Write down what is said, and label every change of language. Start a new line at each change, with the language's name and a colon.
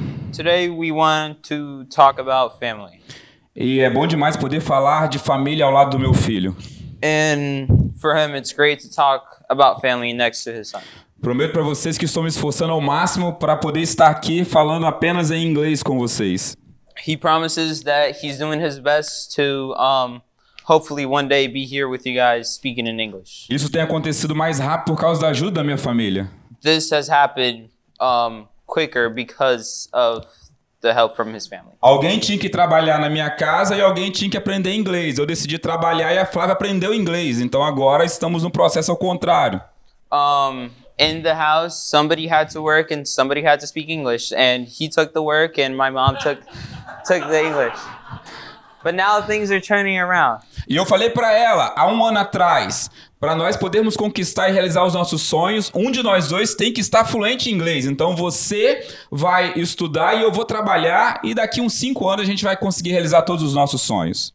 English: Today we want to talk about family.
Portuguese: E é bom demais poder falar de família ao lado do meu filho.
English: And for him, it's great to talk about family next to his son.
Portuguese: Prometo para vocês que estou me esforçando ao máximo para poder estar aqui falando apenas em inglês com vocês.
English: He promises that he's doing his best to hopefully one day be here with you guys speaking in English.
Portuguese: Isso tem acontecido mais rápido por causa da ajuda da minha família.
English: This has happened quicker because of the help from his family.
Portuguese: Alguém tinha que trabalhar na minha casa e alguém tinha que aprender inglês. Eu decidi trabalhar e a Flávia aprendeu inglês. Então agora estamos no processo ao contrário.
English: In the house, somebody had to work and somebody had to speak English. And he took the work and my mom took the English. But now things are turning around.
Portuguese: E eu falei para ela, há um ano atrás, para nós podermos conquistar e realizar os nossos sonhos, um de nós dois tem que estar fluente em inglês. Então você vai estudar e eu vou trabalhar e daqui uns 5 anos a gente vai conseguir realizar todos os nossos sonhos.